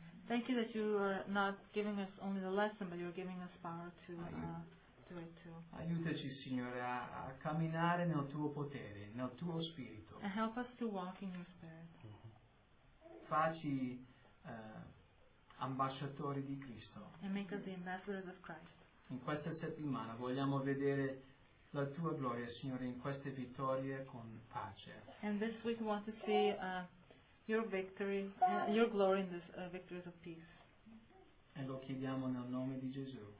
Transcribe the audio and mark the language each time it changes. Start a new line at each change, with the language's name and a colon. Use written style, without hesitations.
English: Thank you that you are not giving us only the lesson, but you are giving us power to do it too.
Italian: Aiutaci, Signore, a camminare nel tuo potere, nel tuo spirito.
English: And help us to walk in your spirit.
Italian: Facci ambasciatori di Cristo.
English: And make us the ambassadors of Christ.
Italian: In questa settimana vogliamo vedere la tua gloria, Signore, in queste vittorie con pace.
English: And this week we want to see your victory, your glory in this victories of peace.
Italian: E lo chiediamo nel nome di Gesù.